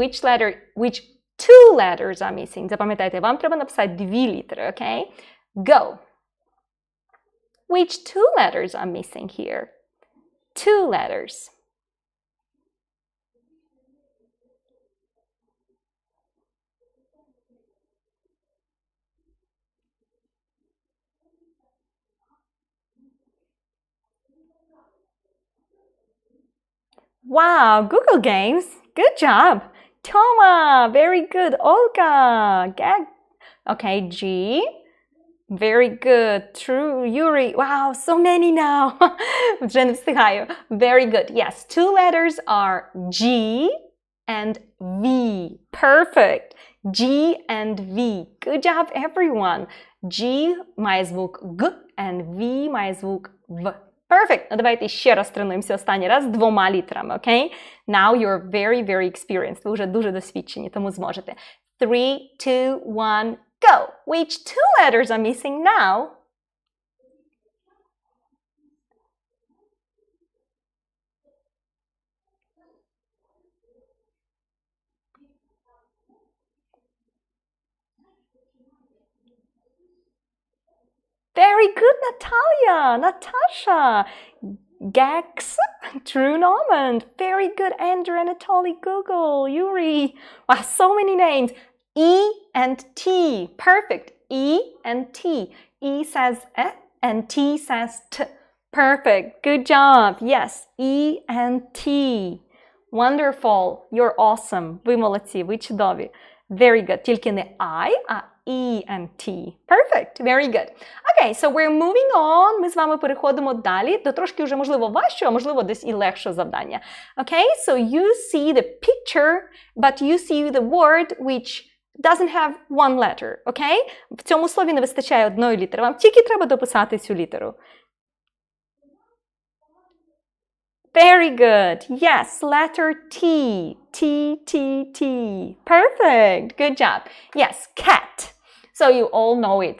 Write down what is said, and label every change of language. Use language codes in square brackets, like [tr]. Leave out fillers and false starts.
[en] Which letter, which two letters are missing? [uk] Запам'ятайте, вам треба написати дві літери, okay? [en] Go. Which two letters are missing here? Two letters. Wow, Google Games. Good job. Toma, very good. Olga, Gag. Okay, G. Very good. True, Yuri. Wow, so many now. [uk] Вже не встигаю. [en] Very good. Yes, two letters are G and V. Perfect. G and V. Good job, everyone. [uk] G має звук Г, and V має звук В. [en] Perfect. [uk] Ну, давайте ще раз тренуємося останній раз двома літрами, okay? [en] Now you're very, very experienced. [uk] Ви вже дуже досвідчені, тому зможете. [en] 3, 2, 1, go! Which two letters are missing now? Very good, Natalia, Natasha, Gex, True Norman, very good, Andrew, Anatoly, Google, Yuri, wow, so many names, E and T, perfect, E and T, E says E and T says T, perfect, good job, yes, E and T, wonderful, you're awesome, [uk] ви молодці, ви чудові, [en] very good, [uk] тільки не I, а [en] E and T. Perfect. Very good. Okay, so we're moving on. [uk] Ми з вами переходимо далі до трошки вже, можливо, важчого, можливо, десь і легшого завдання. [en] Okay, so you see the picture, but you see the word which doesn't have one letter. Okay? [uk] В цьому слові не вистачає одної літери. Вам тільки треба дописати цю літеру. [en] Very good. Yes, letter T. T, T, T. Perfect. Good job. Yes, cat. So you all know it.